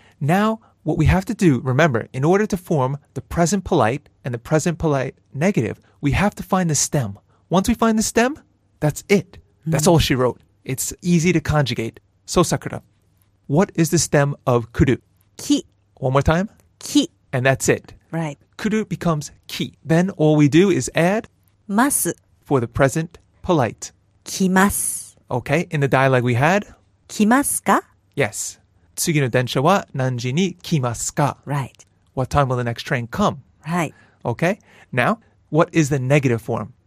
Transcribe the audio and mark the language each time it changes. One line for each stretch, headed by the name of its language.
English: Now, what we have to do, remember, in order to form the present polite and the present polite negative, we have to find the stem. Once we find the stem, that's it. That's all she wrote. It's easy to conjugate. So, Sakura, what is the stem of 来る?
Japanese: 来.
English: One more time.
Japanese: 来.
English: And that's it. Right. 来る becomes 来. Then all we do is add
Japanese: 来ます.
English: For the present polite.
Japanese: 来ます.
English: Okay. In the dialogue we had.
Japanese: 来ますか?
English: Yes.
Japanese: 次の電車は何時に来ますか?
English: Right. What time will the next train come? Right. Okay. Now, what is the negative form?